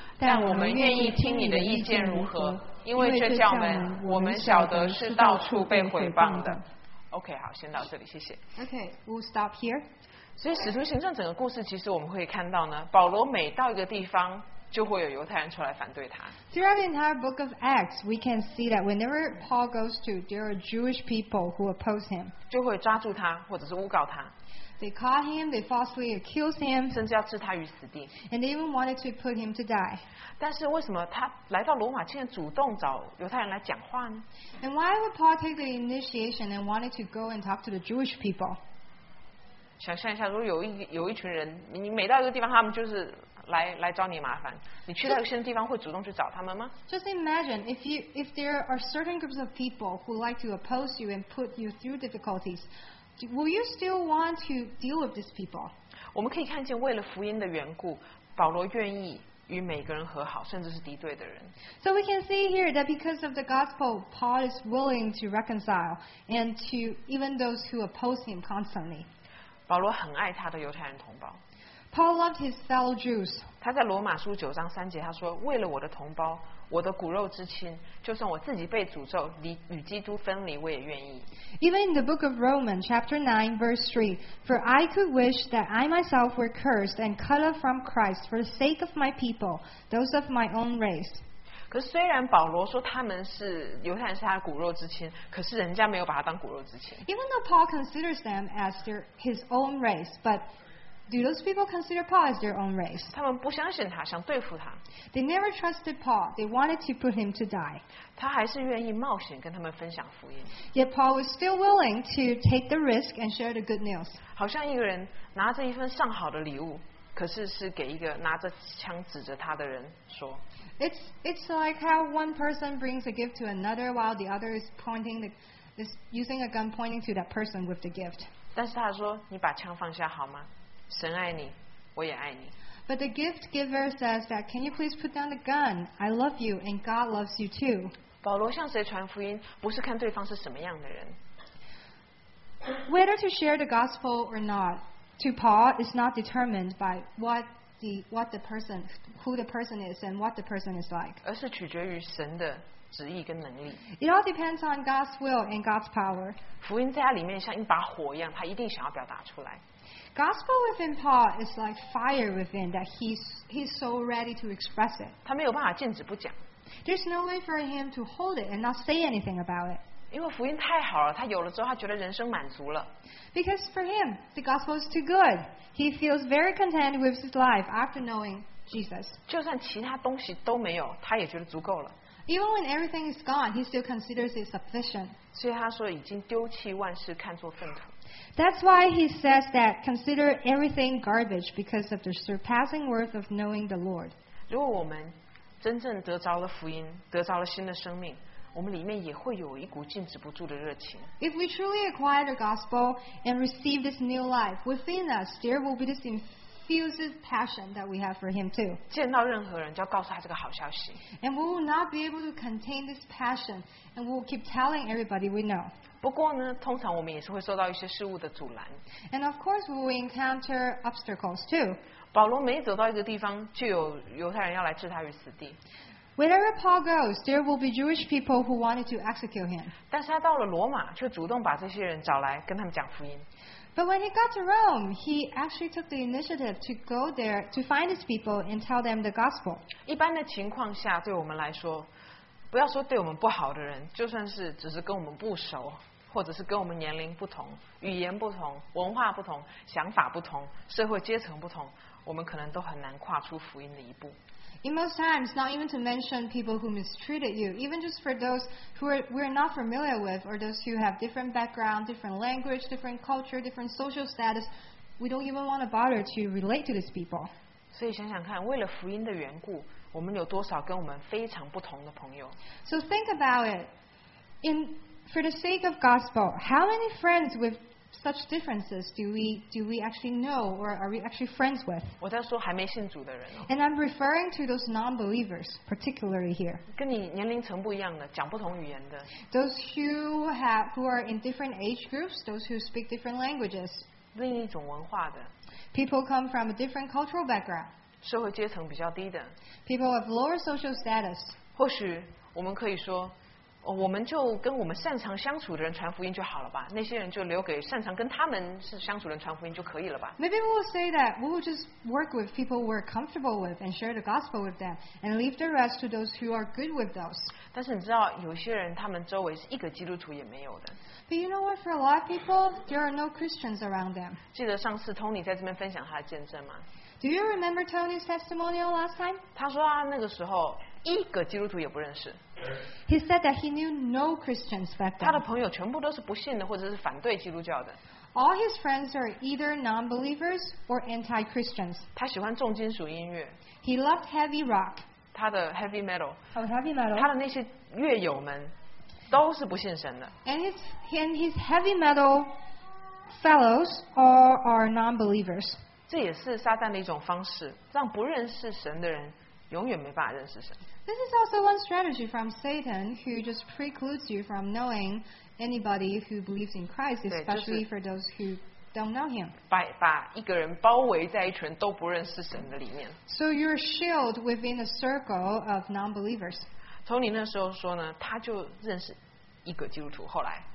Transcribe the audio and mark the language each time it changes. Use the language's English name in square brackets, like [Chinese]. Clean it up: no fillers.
[Chinese] 但我们愿意听你的意见如何？因为这教门，我们晓得是到处被毁谤的。 OK， 好，先到这里，谢谢。 [English] OK， we'll stop here。 [Chinese] 所以《使徒行传》整个故事，其实我们会看到呢，保罗每到一个地方，就会有犹太人出来反对他。 [English] Throughout the entire book of Acts, we can see that whenever Paul goes to, there are Jewish people who oppose him， [Chinese] 就会抓住他，或者是诬告他。 [English] They caught him. They falsely accused him. [Chinese] 甚至要置他于死地。 [English] And they even wanted to put him to die. [Chinese] 但是为什么他来到罗马，竟然主动找犹太人来讲话呢 [English] ？And why would Paul take the initiation and wanted to go and talk to the Jewish people? [Chinese] 想象一下，如果有一群人，你每到一个地方，他们就是来找你麻烦。你去到一个新的地方，会主动去找他们吗 [English] ？Just imagine if there are certain groups of people who like to oppose you and put you through difficulties. Will you still want to deal with these people? [Chinese] 我们可以看见，为了福音的缘故，保罗愿意与每个人和好，甚至是敌对的人。 [English] So we can see here that because of the gospel, Paul is willing to reconcile and to even those who oppose him constantly. [Chinese] 保罗很爱他的犹太人同胞。 [English] Paul loved his fellow Jews. [Chinese] 他在罗马书九章三节他说：“为了我的同胞，我的骨肉之亲，就算我自己被诅咒，与基督分离，我也愿意。” [English] Even in the book of Romans, chapter 9, verse 3, for I could wish that I myself were cursed and cut off from Christ for the sake of my people, those of my own race. [Chinese] 可是虽然保罗说他们是犹太人是他的骨肉之亲，可是人家没有把他当骨肉之亲。 [English] Even though Paul considers them as their his own race, but do those people consider Paul as their own race? [Chinese] 他们不相信他，想对付他。 [English] They never trusted Paul. They wanted to put him to die. [Chinese] 他还是愿意冒险跟他们分享福音。 [English] Yet Paul was still willing to take the risk and share the good news. [Chinese] 好像一个人拿着一份上好的礼物，可是是给一个拿着枪指着他的人说。 [English] It's like how one person brings a gift to another while the other is pointing is using a gun pointing to that person with the gift. [Chinese] 但是他说：“你把枪放下好吗？” 神爱你，我也爱你。 [English] But the gift giver says that, "Can you please put down the gun? I love you, and God loves you too." [Chinese] 保罗向谁传福音，不是看对方是什么样的人。 [English] Whether to share the gospel or not to Paul is not determined by who the person is and what the person is like. [Chinese] 而是取决于神的旨意跟能力。 [English] It all depends on God's will and God's power. [Chinese] 福音在他里面像一把火一样，他一定想要表达出来。 [English] Gospel within Paul is like fire within that he's so ready to express it. [Chinese] 他没有办法禁止不讲。 [English] There's no way for him to hold it and not say anything about it. [Chinese] 因为福音太好了，他有了之后，他觉得人生满足了。 [English] Because for him, the gospel is too good. He feels very content with his life after knowing Jesus. [Chinese] 就算其他东西都没有，他也觉得足够了。 [English] Even when everything is gone, he still considers it sufficient. [Chinese] 所以他说已经丢弃万事，看作粪土。 [English] That's why he says that consider everything garbage because of the surpassing worth of knowing the Lord. [Chinese] 如果我们真正得着了福音，得着了新的生命，我们里面也会有一股禁止不住的热情。 [English] If we truly acquire the gospel and receive this new life within us, there will be this infused passion that we have for him too. [Chinese] 见到任何人就要告诉他这个好消息。 [English] And we will not be able to contain this passion, and we will keep telling everybody we know. [Chinese] 不过呢，通常我们也是会受到一些事物的阻拦。 [English] And of course, we will encounter obstacles too. [Chinese] 保罗每走到一个地方，就有犹太人要来置他于死地。 [English] Wherever Paul goes, there will be Jewish people who wanted to execute him. [Chinese] 但是他到了罗马，却主动把这些人找来跟他们讲福音。 [English] But when he got to Rome, he actually took the initiative to go there to find his people and tell them the gospel. [Chinese] 一般的情况下，对我们来说。不要说对我们不好的人，就算是只是跟我们不熟，或者是跟我们年龄不同、语言不同、文化不同、想法不同、社会阶层不同，我们可能都很难跨出福音的一步。 [English] In most times, not even to mention people who mistreated you, even just for those who we're not familiar with, or those who have different background, different language, different culture, different social status, we don't even want to bother to relate to these people. [Chinese] 所以想想看，为了福音的缘故。我们有多少跟我们非常不同的朋友 [English] ？So think about it. In for the sake of gospel, how many friends with such differences do we actually know or are we actually friends with？ [Chinese] 我在说还没信主的人、哦。 [English] And I'm referring to those non-believers, particularly here. [Chinese] 跟你年龄层不一样的，讲不同语言的。 [English] Those who are in different age groups, those who speak different languages. [Chinese] 另一种文化的。 [English] People come from a different cultural background. [Chinese] 社会阶层比较低的 [English] people of lower social status [Chinese] 或许我们可以说、哦、我们就跟我们擅长相处的人传福音就好了吧那些人就留给擅长跟他们是相处的人传福音就可以了吧 [English] maybe we will say that we will just work with people we're comfortable with and share the gospel with them and leave the rest to those who are good with those [Chinese] 但是你知道有些人他们周围是一个基督徒也没有的 [English] but you know what for a lot of people there are no Christians around them [Chinese] 记得上次 Tony 在这边分享他的见证吗 [English] Do you remember Tony's testimonial last time? [Chinese] 他说啊，那个时候一个基督徒也不认识。 [English] He said that he knew no Christians back then. [Chinese] 他的朋友全部都是不信的，或者是反对基督教的。 [English] All his friends are either non-believers or anti-Christians. [Chinese] 他喜欢重金属音乐。 [English] He loved heavy rock. [Chinese] 他的 heavy metal. [English] Heavy metal. [Chinese] 他的那些乐友们都是不信神的。 [English] And his heavy metal fellows or our non-believers. [Chinese] 这也是撒旦的一种方式，让不认识神的人永远没办法认识神。 [English] This is also one strategy from Satan who just precludes you from knowing anybody who believes in Christ, especially for those who don't know him. [Chinese] 把一个人包围在一群都不认识神的里面。 [English] So you're shielded within a circle of non-believers. [Chinese] Tony 那时候说呢，他就认识一个基督徒，后来。